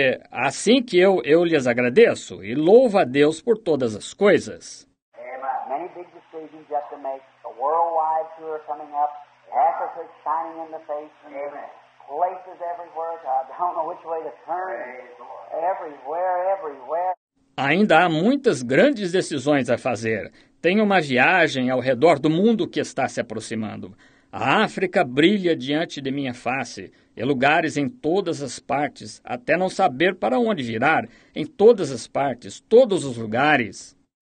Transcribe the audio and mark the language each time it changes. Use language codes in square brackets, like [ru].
[pt] Assim que eu lhes agradeço e louvo a Deus por todas as coisas. [en] Many big decisions you have to make. A worldwide tour coming up. Africa shining in the face. Places everywhere. I don't know which way to turn. Everywhere. [pt] Ainda há muitas grandes decisões a fazer. Tem uma viagem ao redor do mundo que está se aproximando. A África brilha diante de minha face, e lugares em todas as partes, até não saber para onde virar, em todas as partes, todos os lugares.